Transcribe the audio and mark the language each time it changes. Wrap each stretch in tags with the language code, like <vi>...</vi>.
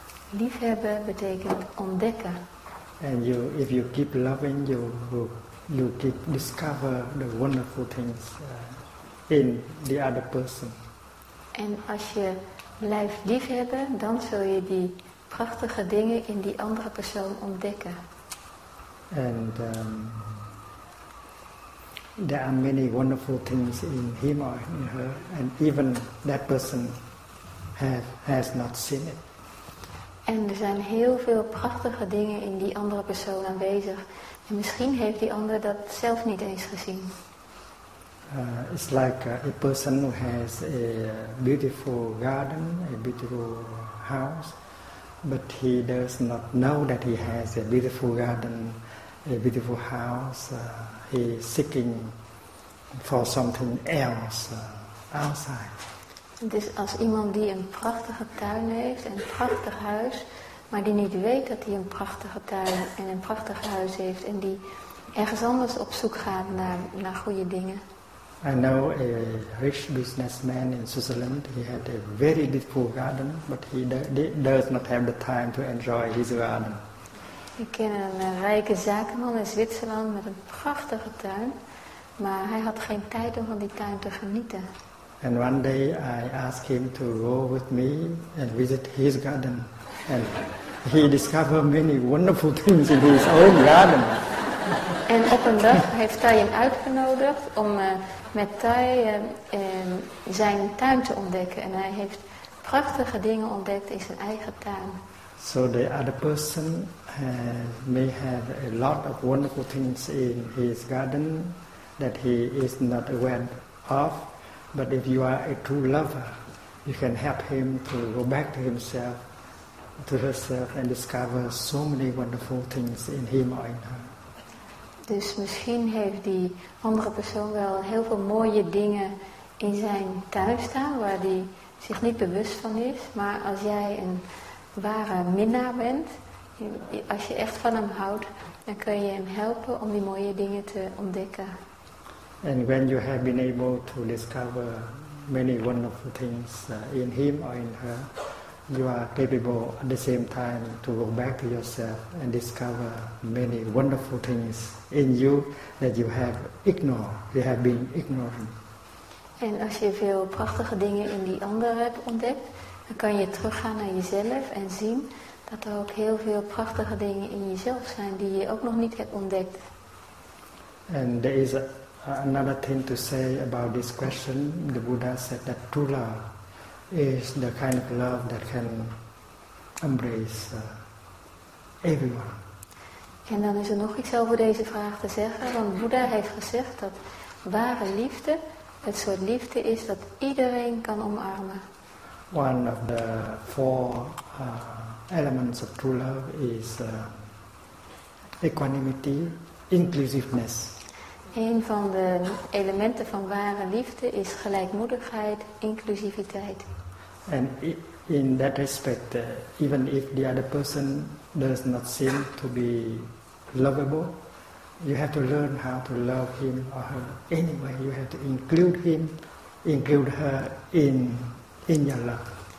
<nl>Liefhebben betekent ontdekken.</nl> <en>And if you keep loving, you keep discover the wonderful things in the other person.</en> <nl>En als je blijft liefhebben, dan zul je die prachtige dingen in die andere persoon ontdekken.</nl> <en>And there are many wonderful things in him or in her, and even that person has not seen it.</en> <nl>En er zijn heel veel prachtige dingen in die andere persoon aanwezig. En misschien heeft die andere dat zelf niet eens gezien.</nl> <en>It's like a person who has a beautiful garden, a beautiful house, but he does not know that he has a beautiful garden, a beautiful house. He is seeking for something else outside.</en> <nl>Dus als iemand die een prachtige tuin heeft, een prachtig huis, maar die niet weet dat hij een prachtige tuin en een prachtig huis heeft en die ergens anders op zoek gaat naar goede dingen.</nl> <en>I know a rich businessman in Switzerland. He had a very beautiful garden, but he does not have the time to enjoy his garden.</en> <nl>Ik ken een rijke zakenman in Zwitserland met een prachtige tuin, maar hij had geen tijd om van die tuin te genieten.</nl> <en>And one day I asked him to go with me and visit his garden, and he discovered many wonderful things in his own garden.</en> <nl>En op een dag heeft hij hem uitgenodigd om met Thay zijn tuin te ontdekken, en hij heeft prachtige dingen ontdekt in zijn eigen tuin.</nl> <en>So the other person may have a lot of wonderful things in his garden that he is not aware of, but if you are a true lover, you can help him to go back to himself, to herself, and discover so many wonderful things in him or in her.</en> <nl>Dus misschien heeft die andere persoon wel heel veel mooie dingen in zijn tuin staan waar hij zich niet bewust van is. Maar als jij een ware minnaar bent, als je echt van hem houdt, dan kun je hem helpen om die mooie dingen te ontdekken.</nl> <en>And when you have been able to discover many wonderful things in him or in her, you are capable at the same time to go back to yourself and discover many wonderful things in you that you have ignored, you have been ignoring.</en> <nl>En als je veel prachtige dingen in die ander hebt ontdekt, dan kan je teruggaan naar jezelf en zien dat er ook heel veel prachtige dingen in jezelf zijn die je ook nog niet hebt ontdekt.</nl> <en>And there is another thing to say about this question. The Buddha said that true love is the kind of love that can embrace everyone.</en> <nl>En dan is er nog iets over deze vraag te zeggen, want Buddha heeft gezegd dat ware liefde het soort liefde is dat iedereen kan omarmen.</nl> <en>One of the four elements of true love is equanimity, inclusiveness.</en> <nl>Een van de elementen van ware liefde is gelijkmoedigheid, inclusiviteit.</nl> <en>And in that respect, even if the other person does not seem to be lovable, you have to learn how to love him or her anyway. You have to include him, include her in your love.</en>